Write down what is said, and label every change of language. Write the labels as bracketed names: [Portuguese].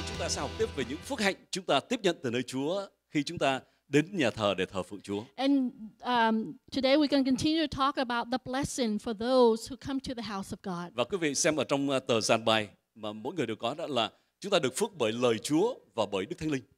[Vietnamese] sẽ học tiếp về những phước hạnh chúng ta tiếp nhận từ nơi Chúa khi chúng ta đến nhà thờ để thờ phượng Chúa. [English] And today we can continue to talk about the blessing for those who come to the house of God. [Vietnamese] Và quý vị xem ở trong tờ giàn bài mà mỗi người đều có đó là chúng ta được phước bởi lời Chúa và bởi Đức Thánh Linh.